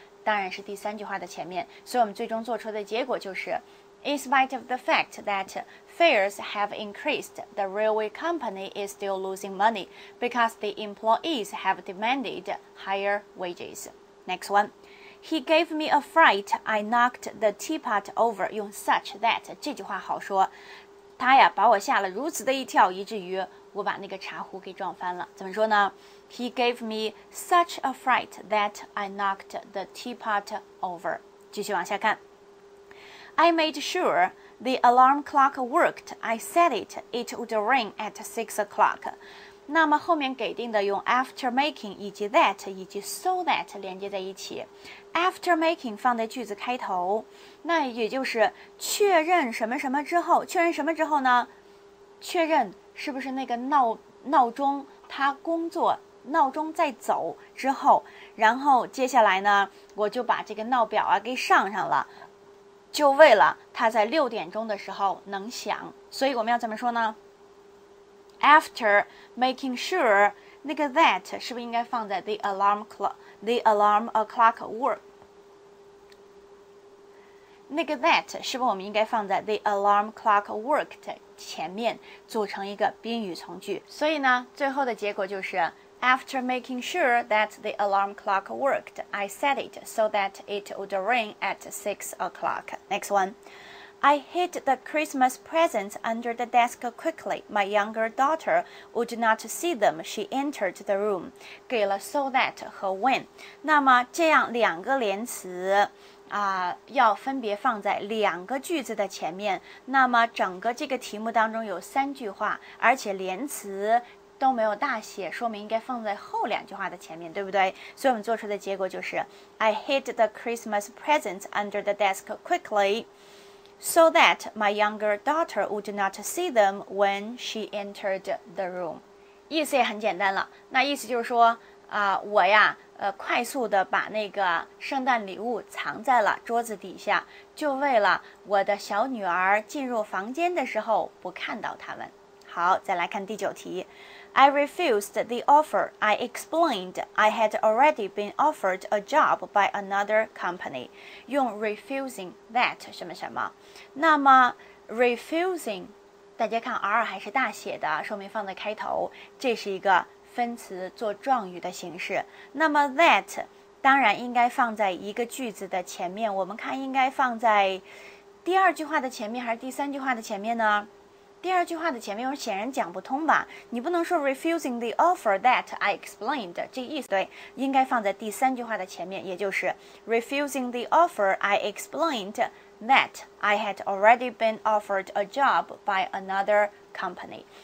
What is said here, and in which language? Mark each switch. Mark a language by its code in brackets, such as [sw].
[zh] 当然是第三句话的前面，所以我们最终做出的结果就是 [en] In spite of the fact that fares have increased, the railway company is still losing money because the employees have demanded higher wages. Next one. He gave me a fright, I knocked the teapot over. [zh] 用 [en] such that, [zh] 这句话好说。他呀把我吓了如此的一跳，以至于我把那个茶壶给撞翻了。怎么说呢？ [en] He gave me such a fright that I knocked the teapot over. [zh] 继续往下看。 [en] I made sure the alarm clock worked. I set it. It would ring at 6 o'clock. [zh] 那么后面给定的用 [en] after making [zh] 以及 [en] that [zh] 以及 [en] so that [zh] 连接在一起。 [en] After making [zh] 放在句子开头，那也就是确认什么什么之后，确认什么之后呢？确认是不是那个闹钟它工作。闹钟在走之后，然后接下来呢，我就把这个闹表啊给上上了，就为了它在6点钟的时候能响。所以我们要怎么说呢 ？ [en] After making sure [zh] 那个 that 是不是应该放在 [en] the alarm clock work？ [zh] 那个 that 是不是我们应该放在 [en] the alarm clock worked [zh] 前面，组成一个宾语从句？所以呢，最后的结果就是。 [en] After making sure that the alarm clock worked, I set it so that it would ring at 6 o'clock. Next one. I hid the Christmas presents under the desk quickly. My younger daughter would not see them. She entered the room. [zh] 给了 [en] so that [zh] 和 when. 那么这样两个连词要分别放在两个句子的前面。那么整个这个题目当中有三句话，而且连词都没有大写，说明应该放在后两句话的前面，对不对？所以我们做出的结果就是 [en] I hid the Christmas presents under the desk quickly so that my younger daughter would not see them when she entered the room. [zh] 意思也很简单了，那意思就是说我呀快速的把那个圣诞礼物藏在了桌子底下，就为了我的小女儿进入房间的时候不看到他们。好，再来看第九题。 [en] I refused the offer. I explained I had already been offered a job by another company. [zh] 用 [en] refusing that [zh] 什么什么。那么 refusing， 大家看 R 还是大写的，说明放在开头，这是一个分词做状语的形式。那么 that 当然应该放在一个句子的前面，我们看应该放在第二句话的前面还是第三句话的前面呢？第二句话的前面，我显然讲不通吧？你不能说 [en] refusing the offer that I explained， [zh] 这意思对，应该放在第三句话的前面，也就是 [en] refusing the offer I explained that I had already been offered a job by another company。